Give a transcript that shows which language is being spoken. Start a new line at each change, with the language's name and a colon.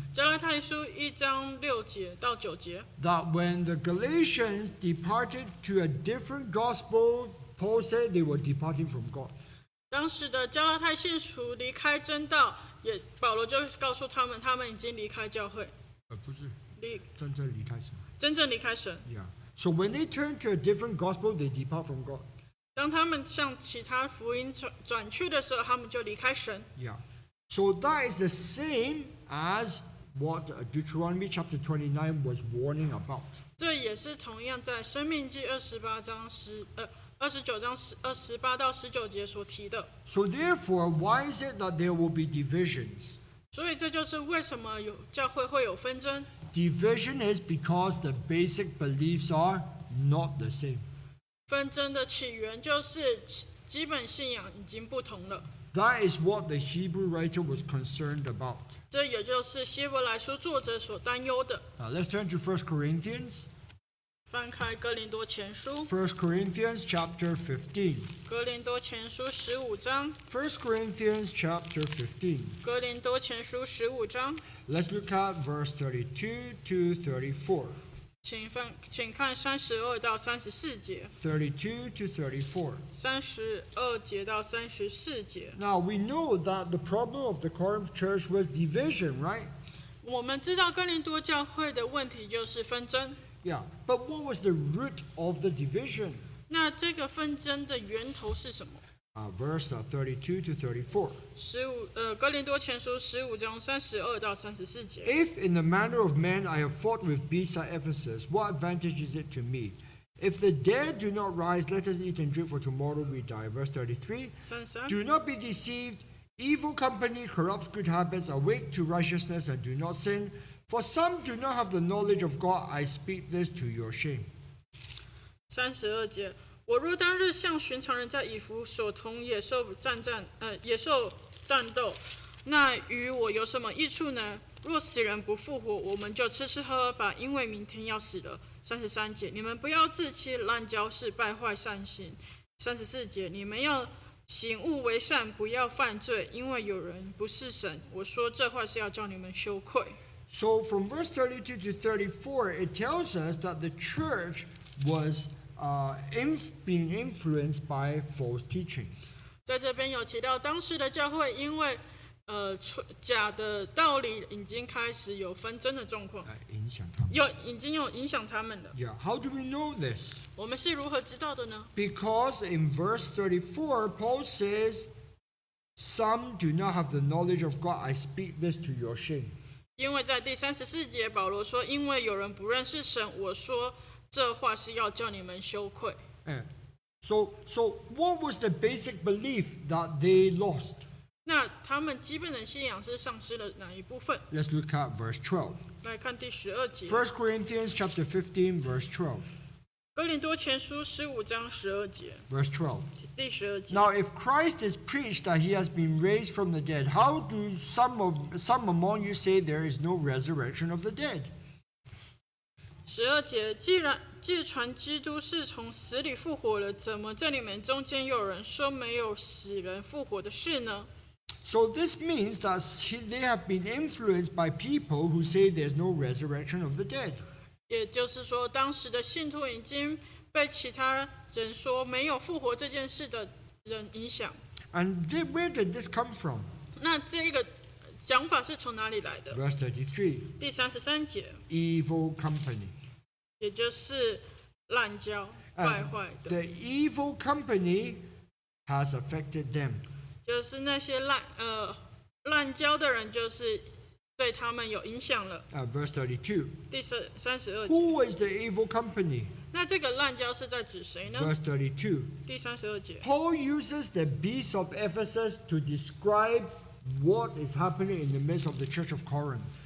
Chinese: 加拉太书一章六节到九节。
English: That when the Galatians departed to a different gospel, Paul said they were departing from God.
Chinese: 当时的加拉太信徒离开真道，也保罗就告诉他们，他们已经离开教会。不是，真正离开神。真正离开神。
English: Yeah. So when they turn to a different gospel, they depart from God.
Chinese: 当他们向其他福音转去的时候，他们就离开神。
English: Yeah. So that is the same as what Deuteronomy chapter 29 was warning about.
Chinese: 这也是同样在《生命记》二十八章28-19节所提的。
English: So therefore, why is it that there will be divisions?
Chinese: 所以这就是为什么有教会会有纷争。
English: Division is because the basic beliefs are not the same.
Chinese: 纷争的起源就是基本信仰已经不同了。
English: That is what the Hebrew writer was concerned about.
Chinese: 这也就是希伯来书作者所担忧的。
English: Now let's turn to 1 Corinthians.
Chinese: 翻开哥林多前书。
English: First Corinthians chapter 15。
Chinese: 哥林多前书十五章。
English: First Corinthians chapter 15。
Chinese: 哥林多前书十五章。
English: Let's look at verse 32 to 34。
Chinese: 请看32-34节。
English: 32 to 34。
Chinese: 32-34节。
English: Now we know that the problem of the Corinth church was division, right?
Chinese: 我们知道哥林多教会的问题就是纷争。
English: Yeah, but what was the root of the division?
Chinese: 那这个纷争的源头是什么？
English: Verse 32 to 34。
Chinese: 哥林多前书十五章32-34节。
English: If in the manner of men I have fought with beasts at Ephesus, what advantage is it to me? If the dead do not rise, let us eat and drink, for tomorrow we die. Verse 33. Do not be deceived. Evil company corrupts good habits. Awake to righteousness and do not sin. For some do not have the knowledge of God, I speak this to your shame.
Chinese: 32节，我若当日像寻常人在以弗所同野兽战斗，那与我有什么益处呢？若死人不复活，我们就吃吃喝喝吧，因为明天要死了。 33节，你们不要自欺，滥交是败坏善行。 34节，你们要行恶为善，不要犯罪，因为有人不是神。我说这话是要叫你们羞愧。
English: So from verse 32 to 34, it tells us that the church was being influenced by false teaching.
Chinese: 在这边有提到当时的教会因为假的道理已经开始有纷争的状况。影响他们。已经有影响他们的。
English: Yeah, how do we know this?
Chinese: 我们是如何知道的呢？
English: Because in verse 34, Paul says, Some do not have the knowledge of God, I speak this to your shame.
Chinese: 因为在第34节，保罗说：“因为有人不认识神，我说这话是要叫你们羞愧。”
English: So what was the basic belief that they lost?
Chinese: 那他们基本的信仰是丧失了哪一部分？
English: Let's look at verse 12.
Chinese: 来看第十二节。
English: First Corinthians chapter 15, verse 12.
Chinese: 哥林多前书十五章十二节。
English: Verse 12.
Chinese: 第十二节。
English: Now if Christ is preached that he has been raised from the dead, how do some among you say there is no resurrection of the dead?
Chinese: 十二节，既传基督是从死里复活了，怎么在你们中间有人说没有死人复活的事呢？
English: So this means that they have been influenced by people who say there's no resurrection of the dead.
Chinese: 也就是说，当时的信徒已经被其他人说没有复活这件事的人影响。
English: And where did this come from?
Chinese: 那这个讲法是从哪里来的？
English: Verse 33.
Chinese: 第33节。
English: Evil company.
Chinese: 也就是滥交败坏的。
English: The evil company has affected them.
Chinese: 就是那些滥交的人就是对他们有影响了。
English: Verse 32.
Chinese: 第32节。
English: Who is the evil company?
Chinese: 那这个滥交是在指谁呢？
English: Verse 32.
Chinese: 第32节。
English: Paul uses the beast of Ephesus to describe what is happening in the midst of the church of Corinth.